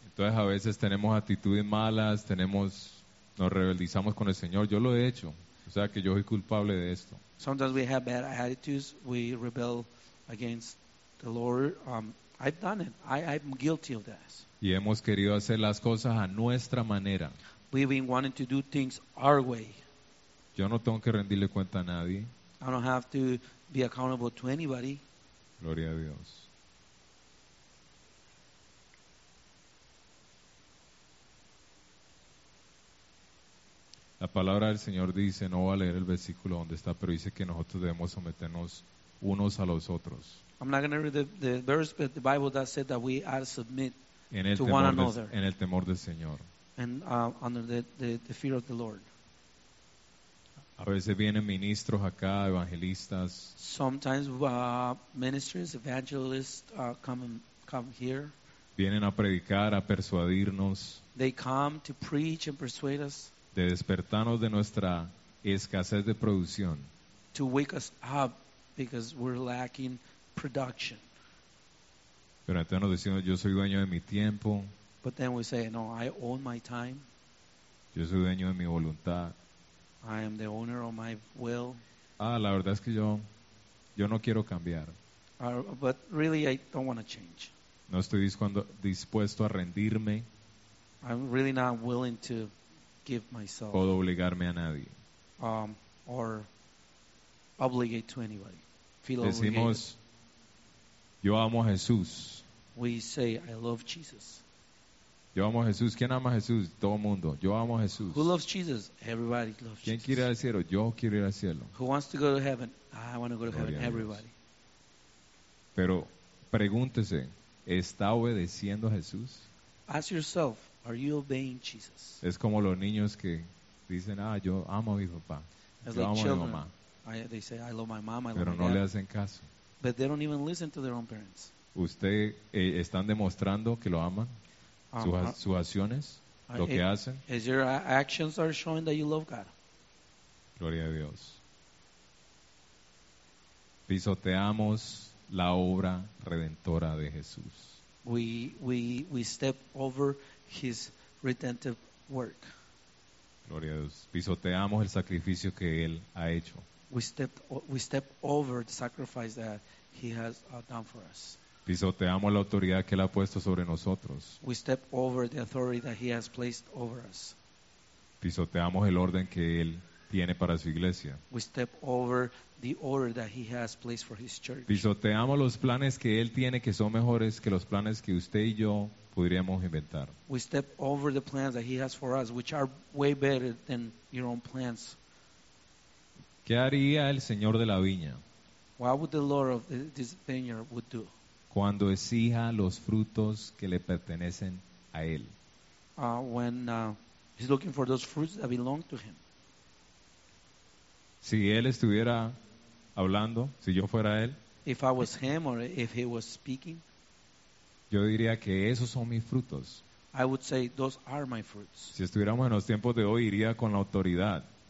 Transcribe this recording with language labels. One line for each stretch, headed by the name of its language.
Spanish: Entonces a veces tenemos actitudes malas, nos rebeldizamos con el Señor. Yo lo he hecho. O sea que yo soy culpable de esto.
English: Sometimes we have bad attitudes. We rebel against the Lord. I've done it. I'm guilty of this.
Spanish: Y hemos querido hacer las cosas a nuestra manera.
English: We've been wanting to do things our way.
Spanish: Yo no tengo que rendirle cuenta a nadie.
English: I don't have to be accountable to anybody.
Spanish: Gloria a Dios. La palabra del Señor dice, no voy a leer el versículo donde está, pero dice que nosotros debemos someternos unos a los otros.
English: I'm not going to read the verse, but the Bible does say that we are submit to one another.
Spanish: En el temor del Señor.
English: And under the fear of the Lord.
Spanish: A veces vienen ministros acá, evangelistas.
English: Sometimes ministers, evangelists come here.
Spanish: Vienen a predicar, a persuadirnos.
English: They come to preach and persuade us.
Spanish: De despertarnos de nuestra escasez de producción.
English: To wake us up because we're lacking production.
Spanish: Pero entonces nos decimos, yo soy dueño de mi tiempo.
English: But then we say, no, I own my time.
Spanish: Yo soy dueño de mi voluntad.
English: I am the owner of my will.
Spanish: Ah, la verdad es que yo no quiero cambiar.
English: But really, I don't want to change.
Spanish: No estoy dispuesto a rendirme.
English: I'm really not willing to give myself.
Spanish: Puedo obligarme a nadie.
English: Or obligate to anybody. Feel
Spanish: Decimos,
English: obligated.
Spanish: Yo amo a Jesús.
English: We say, I love Jesus.
Spanish: Yo amo a Jesús. ¿Quién ama a Jesús? Todo el mundo. Yo amo a Jesús.
English: Who loves Jesus? Everybody loves Jesus.
Spanish: ¿Quién quiere ir al cielo? Yo quiero ir al cielo.
English: Who wants to go to heaven? I want to go to heaven. Everybody.
Spanish: Pero pregúntese, ¿está obedeciendo a Jesús?
English: Ask yourself, are you obeying Jesus?
Spanish: Es como los niños que dicen, yo amo a mi papá.
English: As like
Spanish: amo
English: children,
Spanish: a mi mamá.
English: They say, I love my mom, I love my dad.
Spanish: Pero no le hacen caso.
English: But they don't even listen to their own parents.
Spanish: ¿Usted están demostrando que lo aman? Sus acciones, lo que hacen.
English: Is your actions are showing that you love God.
Spanish: Gloria a Dios. Pisoteamos la obra redentora de Jesús.
English: we step over his redemptive work.
Spanish: Gloria a Dios. Pisoteamos el sacrificio que él ha hecho.
English: We step over the sacrifice that he has done for us.
Spanish: Pisoteamos la autoridad que él ha puesto sobre nosotros.
English: We step over the authority that he has placed over us.
Spanish: Pisoteamos el orden que él tiene para su iglesia.
English: We step over the order that he has placed for his church.
Spanish: Pisoteamos los planes que él tiene que son mejores que los planes que usted y yo podríamos inventar.
English: We step over the plans that he has for us, which are way better than your own plans.
Spanish: ¿Qué haría el Señor de la viña?
English: What would the Lord of this vineyard would do?
Spanish: Cuando exija los frutos que le pertenecen a él.
English: When he's looking for those fruits that belong to him.
Spanish: Si él estuviera hablando, si yo fuera él,
English: if I was him or if he was speaking,
Spanish: yo diría que esos son mis frutos.
English: I would say those are my fruits.
Spanish: Si estuviéramos en los tiempos de hoy, iría con la autoridad.